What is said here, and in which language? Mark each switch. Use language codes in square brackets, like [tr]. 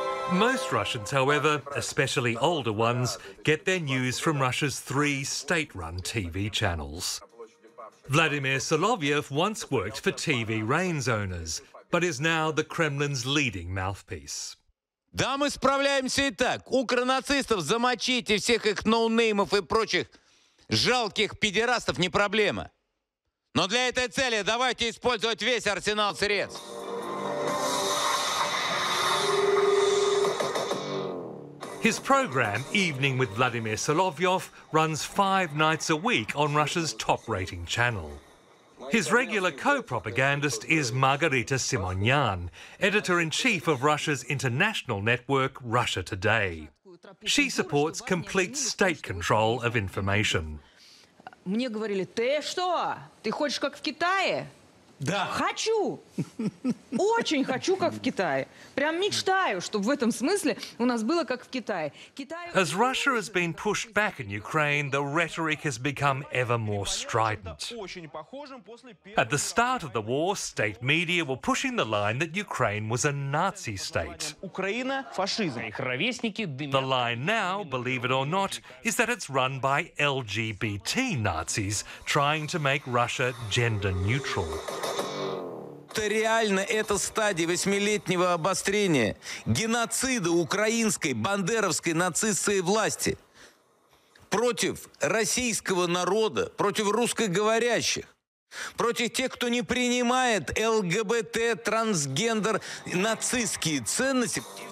[en] Most Russians, however, especially older ones, get their news from Russia's three state-run TV channels. Vladimir Soloviev once worked for TV Rain's owners, but is now the Kremlin's leading mouthpiece. [ru] Да, мы справляемся и так. Укронацистов замочить и всех их ноунеймов и прочих жалких педерастов не проблема. Но для этой цели давайте использовать весь арсенал средств. [en] His program, Evening with Vladimir Solovyov, runs five nights a week on Russia's top-rating channel. His regular co-propagandist is Margarita Simonyan, editor-in-chief of Russia's international network, Russia Today. She supports complete state control of information. [ru] Мне говорили, ты что? Ты хочешь как в Китае? Да. Хочу. Очень хочу, как в Китае. Прям мечтаю, чтобы в этом смысле у нас было как в Китае. [en] As Russia has been pushed back in Ukraine, the rhetoric has become ever more strident. At the start of the war, state media were pushing the line that Ukraine was a Nazi state. [ru] Украина фашизм. [en] The line now, believe it or not, is that it's run by LGBT Nazis trying to make Russia gender neutral. [ru] Это реально эта стадия восьмилетнего обострения геноцида украинской бандеровской нацистской власти против российского народа, против русскоговорящих, против тех, кто не принимает ЛГБТ, трансгендер, нацистские ценности.